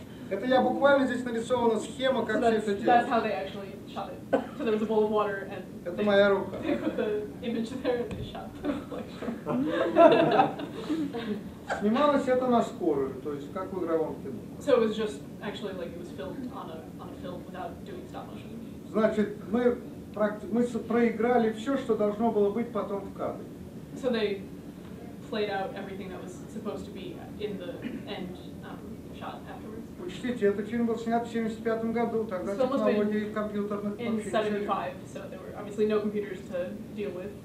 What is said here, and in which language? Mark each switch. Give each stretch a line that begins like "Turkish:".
Russian: Это я буквально здесь нарисована схема, как все это делать.
English: That's how they actually shot it. So there was a bowl of water and
Russian: это моя рука.
English: They put the image there and they shot the reflection.
Russian: Снималось это на скорую, то есть как в игровом кино.
English: So it was just actually like it was filmed on a film without doing stop motion.
Russian: Значит, мы проиграли все, что должно было быть потом в кадре.
English: So they played out everything that was supposed to be in the end shot afterwards.
Russian: Учтите, этот фильм был снят в 75-м году, тогда технологии компьютерных вообще не были.
English: So there were obviously no computers to deal with.